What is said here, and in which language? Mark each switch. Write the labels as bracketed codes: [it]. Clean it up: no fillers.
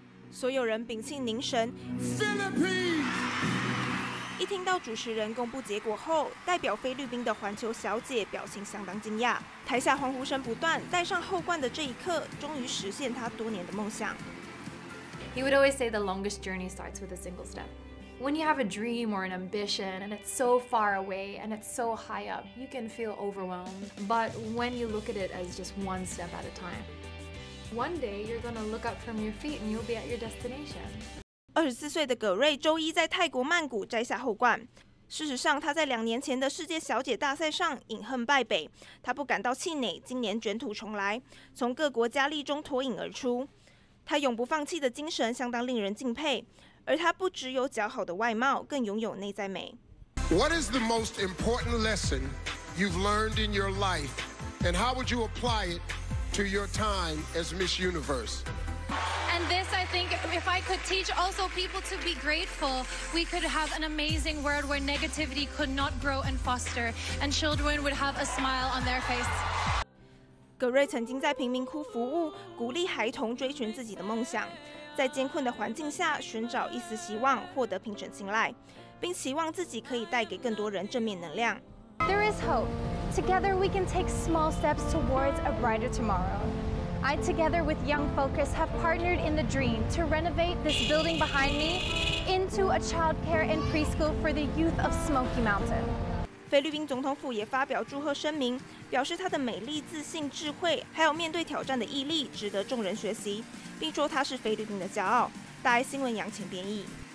[zh] 所有人屏气凝神。一听到主持人公布结果后，代表菲律宾的环球小姐表情相当惊讶，台下欢呼声不断。戴上后冠的这一刻，终于实现她多年的梦想。 [en] He would always say the longest journey starts with a single step. When you have a dream or an ambition and it's so far away and it's so high up, you can feel overwhelmed. But when you look at it as just one step at a time, one day you're gonna look up from your feet and you'll be at your destination. [zh] 24岁的葛瑞周一在泰国曼谷摘下后冠。事实上，他在两年前的世界小姐大赛上饮恨败北，他不感到气馁，今年卷土重来，从各国佳丽中脱颖而出。他永不放弃的精神相当令人敬佩，而他不只有姣好的外貌，更拥有内在美。 [en] What is the most important lesson you've learned in your life, and how would you apply it to your time as Miss Universe? And this, I think, if I could teach also people to be grateful, we could have an amazing world where negativity could not grow and foster, and children would have a smile on their face. [zh] 葛瑞曾经在贫民窟服务，鼓励孩童追寻自己的梦想，在艰困的环境下寻找一丝希望，获得评审青睐，并期望自己可以带给更多人正面能量。 [en] There is hope. Together we can take small steps towards a brighter tomorrow. I, together with Young Focus, have partnered in the dream to renovate this building behind me into a childcare and preschool for the youth of Smoky Mountain. [zh] 菲律宾总统府也发表祝贺声明，表示她的美丽、自信、智慧，还有面对挑战的毅力，值得众人学习，并说她是菲律宾的骄傲。大爱新闻杨晴编译。